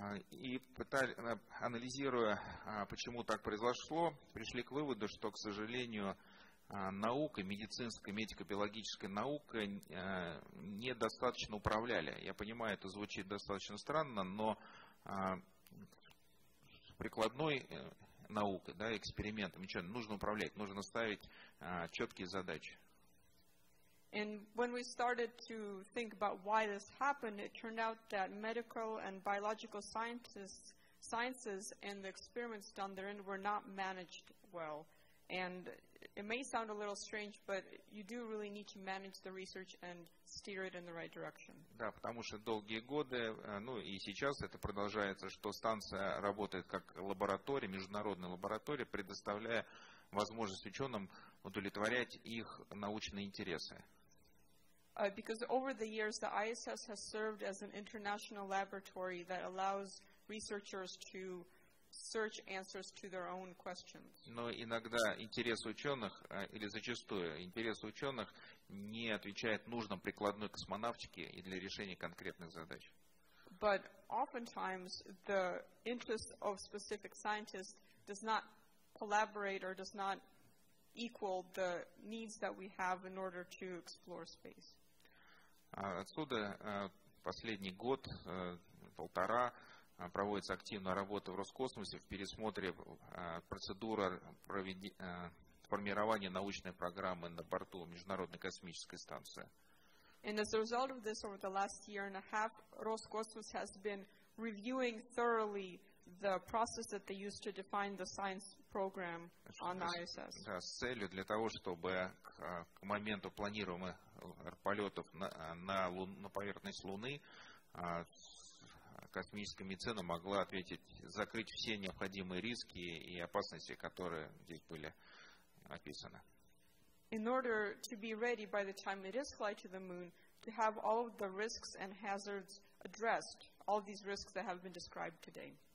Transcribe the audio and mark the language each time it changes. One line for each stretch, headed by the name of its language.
Russian: И анализируя, почему так произошло, пришли к выводу, что, к сожалению, наука, медицинская, медико-биологическая наука недостаточно управляли. Я понимаю, это звучит достаточно странно, но прикладной наукой, да, экспериментом, ничего, нужно управлять, нужно ставить четкие задачи.
English: And when we started to think about why this happened, it turned out that medical and biological sciences and the experiments done therein were not managed well. And it may sound a little strange, but you do really need to manage the research and steer it in the right direction.
Russian: Да, потому что долгие годы, ну и сейчас это продолжается, что станция работает как лаборатория, международная лаборатория, предоставляя возможность ученым удовлетворять их научные интересы.
English: Because over the years, the ISS has served as an international laboratory that allows researchers to search answers to their own questions.
Russian: Но иногда интерес ученых, или зачастую интерес ученых, не отвечает нужным прикладной космонавтике и для решения конкретных задач.
English: But oftentimes, the interest of specific scientists does not collaborate or does not equal the needs that we have in order to explore space.
Russian: Отсюда последний год, полтора, проводится активная работа в Роскосмосе в пересмотре процедуры формирования научной программы на борту Международной космической станции.
English: And as a result of this, over the last year and a half, Roscosmos has been reviewing thoroughly the process that they use to define the science program on the ISS.
Russian: Да, с целью для того, чтобы к моменту планируемых полетов на поверхность Луны космическая медицина могла ответить, закрыть все необходимые риски и опасности, которые здесь были описаны.
English: In order to be ready by the time it is flight to the moon, to have all of the risks and hazards addressed, all these risks that have been described today.